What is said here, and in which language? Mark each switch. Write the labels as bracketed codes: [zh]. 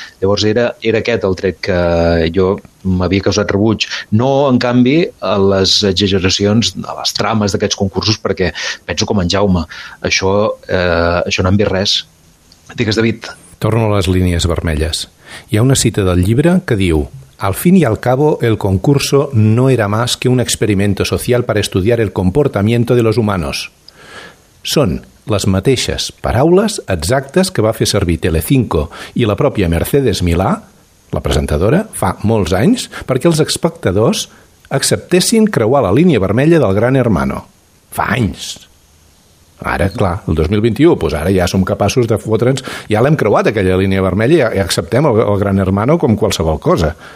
[ca] Llavors era aquest el tret que jo m'havia causat rebuig. No, en canvi, a les exageracions, a les trames d'aquests concursos, perquè penso com en Jaume, això no em ve res. Digues, David. Torno a les línies vermelles. Hi ha una cita del llibre que diu: [es] al fin y al cabo, el concurso no era más que un experimento social para estudiar el comportamiento de los humanos. [ca] Són les mateixes paraules exactes que va fer servir Telecinco i la pròpia Mercedes Milà, la presentadora, fa molts anys, perquè els espectadors acceptessin creuar la línia vermella del Gran Hermano. Fa anys. Ara, clar, el 2021, doncs ara ja som capaços de fotre'ns, ja l'hem creuat aquella línia vermella i acceptem el Gran Hermano com qualsevol cosa.